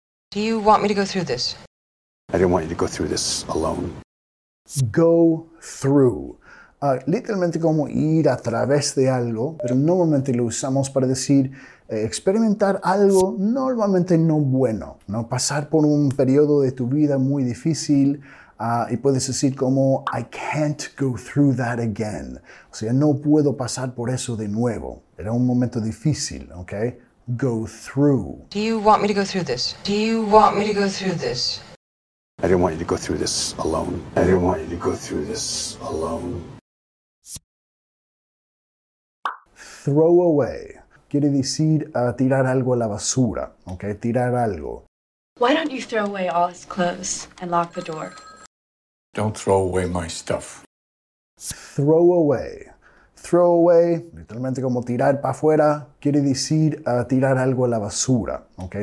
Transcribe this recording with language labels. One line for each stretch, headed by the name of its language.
English: Do you want me to go through this? I didn't want you to go through this alone. Go through.
Spanish: literalmente como ir a través de algo, pero normalmente lo usamos para decir experimentar algo normalmente no bueno, ¿no? Pasar por un periodo de tu vida muy difícil, y puedes decir como
English: I can't go through that again.
Spanish: O sea, no puedo pasar por eso de nuevo. Era un momento difícil, ¿ok?
English: Go through. Do you want me to go through this? Do you want me to go through this? I didn't want you to go through this alone. I didn't want you to go through this alone. Throw away.
Spanish: Quiere decir tirar algo a la basura, ¿ok? Tirar algo.
English: Why don't you throw away all his clothes and lock the door? Don't throw away my stuff. Throw away. Throw away,
Spanish: literalmente como tirar para afuera, quiere decir tirar algo a la basura, ¿ok?